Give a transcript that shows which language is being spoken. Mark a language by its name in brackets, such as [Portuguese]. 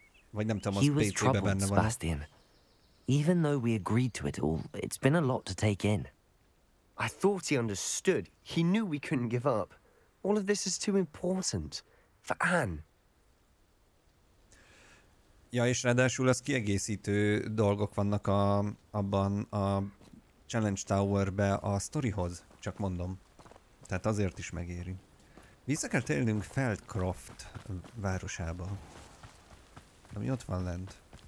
[Hungarian] Vagy nem tudom, az PC-ben benne van. [English] Even though we agreed to it all, it's been a lot to take in. I thought he understood. He knew we couldn't give up. All of this is too important for Anne. [Hungarian] Ja, és ráadásul az kiegészítő dolgok vannak abban a Challenge Tower-be a sztorihoz, csak mondom. Tehát azért is megéri. Vissza kell térnünk Feldcroft városába. Ami ott van lent.